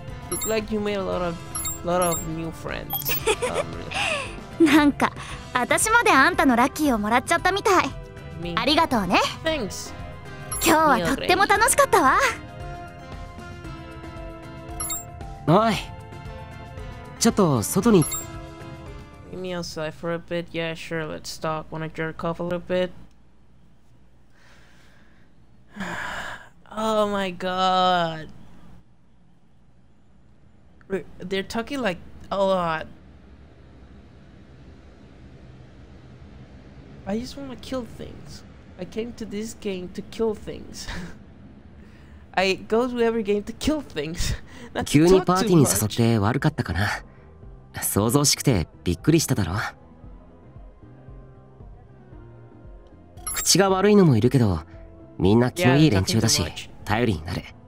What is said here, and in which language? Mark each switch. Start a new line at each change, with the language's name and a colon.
English: Looks like you made a lot of new friends.
Japanese: なんか、私まであんたのラッキーをもらっちゃったみたい。ありがとうね。
English: Thanks.
Japanese: 今日はとっても楽しかったわ。おい、ちょっと外に。
English: Meet me outside for a bit. Yeah, sure. Let's talk. Wanna jerk off a little bit? Oh my god. They're talking like a lot. I just want to kill things. I came to this game to kill things. I go to every game to kill things.
Japanese: 急にパーティーに誘って悪かったかな。想像しくてびっくりしただろ。口が悪いのもいるけど、みんな気のいい連中だし、頼りになる。